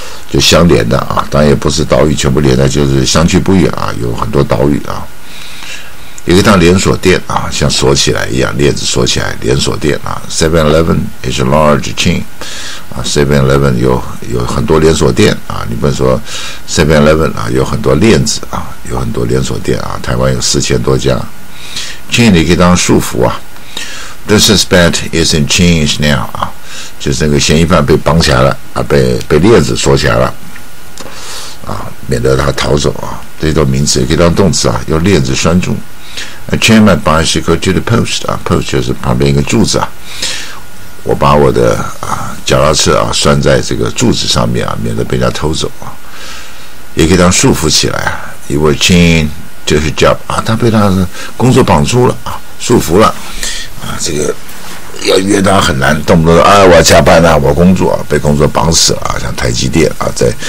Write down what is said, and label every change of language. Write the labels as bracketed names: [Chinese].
[Chinese] 就相连的啊，当然也不是岛屿全部连的，就是相距不远啊，有很多岛屿啊，一个当连锁店啊，像锁起来一样，链子锁起来连锁店啊 , [English] 7-11 is a large chain [Chinese] 啊 ,7-11 有很多连锁店啊，你不能说 7-11 啊有很多链子啊，有很多连锁店啊，台湾有4000多家。 chain 你可以当束缚啊 , [English] the suspect is in chains now [Chinese] 啊，就是那个嫌疑犯被绑起来了啊，被链子锁起来了。啊，免得他逃走啊，这些都名词，也可以当动词啊，用链子拴住。 [English] I chain my bicycle to the post 啊 ，post [Chinese] 就是旁边一个柱子啊。我把我的啊脚踏车啊拴在这个柱子上面啊，免得被人家偷走啊。也可以当束缚起来啊 ， [English] he was chained to his job [Chinese] 啊，他被他的工作绑住了啊，束缚了啊，这个要约他很难，动不动啊、哎、我要加班啊，我工作、啊、被工作绑死了啊，像台积电啊在。